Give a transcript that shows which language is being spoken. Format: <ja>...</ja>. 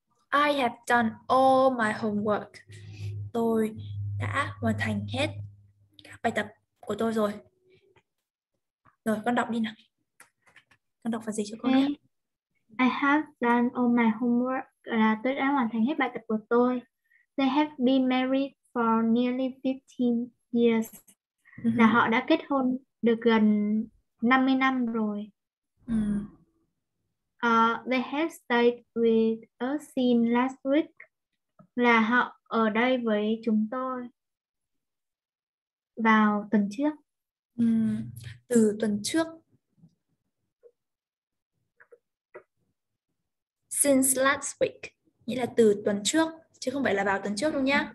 <en>Have done all my homework.</en> <vi>Tôi đã hoàn thành hết các bài tập của tôi rồi. Rồi con đọc đi nào. Con đọc phần gì cho con nhé.</vi> <en>Okay. I have done all my homework.</en> <vi>Là tôi đã hoàn thành hết bài tập của tôi.</vi> <en>They have been married for nearly 15 years.</en> <vi>Là họ đã kết hôn được gần 50 năm rồi.</vi> <en>They have stayed with us since last week.</en> <vi>Là họ ở đây với chúng tôi vào tuần trước. Từ tuần trước. Last week nghĩa là từ tuần trước chứ không phải là vào tuần trước đâu nhá.</vi>